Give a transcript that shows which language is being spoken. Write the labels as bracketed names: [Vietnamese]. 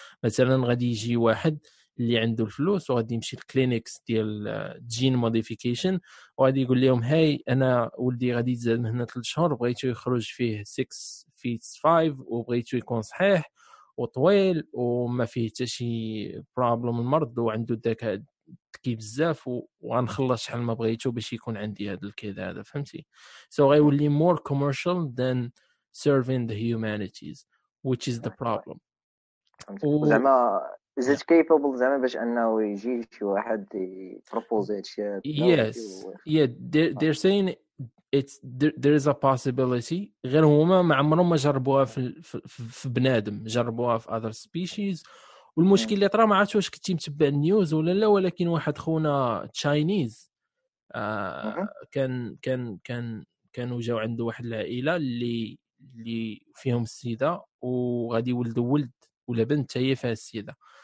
[Arabic] مثلا غادي يجي واحد اللي عنده الفلوس وغادي يمشي للكلينيكس ديال جين موديفيكيشن وغادي يقول لهم هاي انا ولدي غادي يتزاد من هنا 3 شهور, بغيته يخرج فيه [English] 6 feet 5 [Arabic] وبغيته يكون صحيح وطويل وما فيه حتى شي بروبلم المرض وعنده الذكاء الذكي بزاف وغنخلص شحال ما بغيتو باش يكون عندي هذا الكذا هذا, فهمتي؟ سو غيولي [English] More commercial than serving the humanities which is the problem. [Arabic] زعما [English] is it capable [Arabic] زعما باش انه يجي شي واحد يبروبوزي شي؟ [English] Yes يا they're saying it's there is a possibility. [Arabic] غير هما ما عمرهم ما جربوها في بنادم, جربوها في [English] other species. [Arabic] والمشكل اللي طرا ما عرفتش واش كنتي متبع النيوز ولا لا, ولكن واحد خونا تشاينيز كانوا جاوا عنده واحد العائله اللي فيهم السيده وغادي يولد ولد ولا بنت هي فيها السيده.